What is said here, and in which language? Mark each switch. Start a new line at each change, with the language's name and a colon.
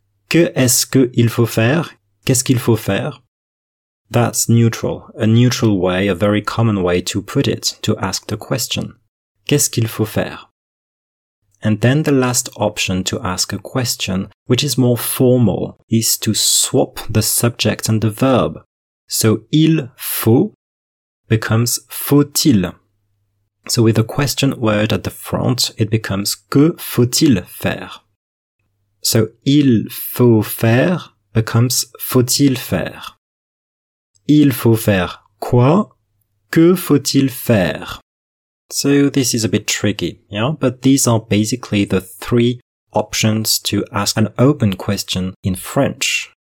French: Que est-ce que il faut faire? Qu'est-ce qu'il faut faire?
English: That's neutral. A neutral way, a very common way to put it, to ask the question.
French: Qu'est-ce qu'il faut faire?
English: And then the last option to ask a question, which is more formal, is to swap the subject and the verb. So, il faut becomes faut-il. So, with the question word at the front, it becomes
French: que faut-il faire.
English: So,
French: il faut faire
English: becomes
French: faut-il faire. Il faut faire quoi? Que faut-il faire?
English: So this is a bit tricky, yeah? But these are basically the three options to ask an open question in French.